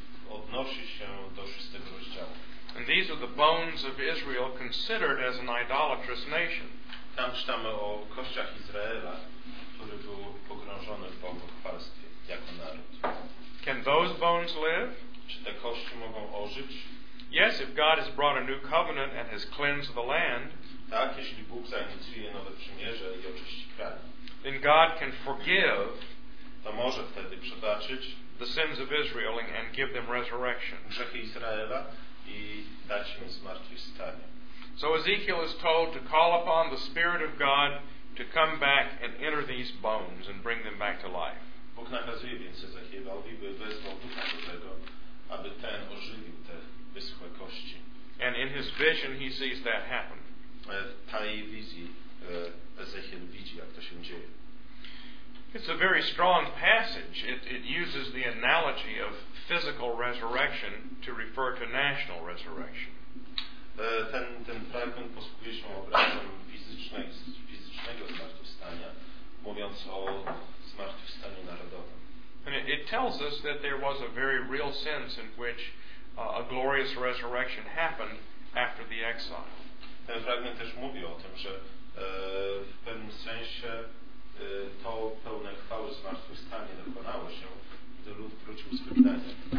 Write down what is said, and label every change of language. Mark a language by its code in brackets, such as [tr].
[pl] Odnosi się do 6 rozdziału. [en] And these are the bones of Israel considered as an idolatrous nation. [pl] Tam czytamy o kościach Izraela, który był pogrążony w bogobojstwie jako naród. [en] Can those bones live? [pl] Czy te kości mogą ożyć? [en] Yes, if God has brought a new covenant and has cleansed the land. [pl] Tak, jeśli Bóg zainicjuje nowe przymierze i oczyści kraj. [en] Then God can forgive. [pl] To może wtedy przebaczyć. [en] The sins of Israel and give them resurrection. [pl] Grzechy Izraela i dać im zmartwychwstanie. [en] So Ezekiel is told to call upon the Spirit of God to come back and enter these bones and bring them back to life. [pl] Bóg nakazuje więc Ezechielowi, by wezwał Ducha Świętego, aby ten ożywił te wyschłe kości. [en] And in his vision he sees that happen. [pl] W tej wizji Ezechiel widzi, jak to się dzieje. [en] It's a very strong passage. It uses the analogy of physical resurrection to refer to national resurrection. [pl] Ten fragment posługuje się obrazem fizycznego zmartwychwstania, mówiąc o zmartwychwstaniu narodowym. [en] And it tells us that there was a very real sense in which a glorious resurrection happened after the exile. [pl] Ten fragment też mówi o tym, że w pewnym sensie to pełne chwały zmartwychwstanie dokonało się, gdy lud wrócił z wygnania.